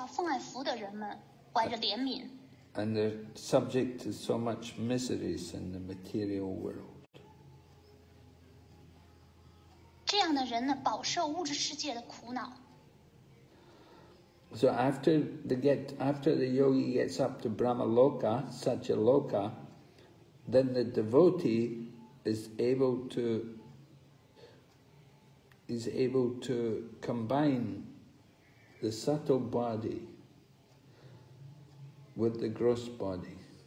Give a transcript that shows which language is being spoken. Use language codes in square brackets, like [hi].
[zh] 那里没有任何焦虑，他们唯一担心的是那些，他们会可怜那些对于奉爱服务没有意识到奉爱服务的人们，怀着怜悯。 [en] And they're subject to so much miseries in the material world. [zh] 这样的人呢，饱受物质世界的苦恼。 [en] So after the yogi gets up to Brahmaloka, Satyaloka, then the devotee is able to combine the subtle body with the gross body.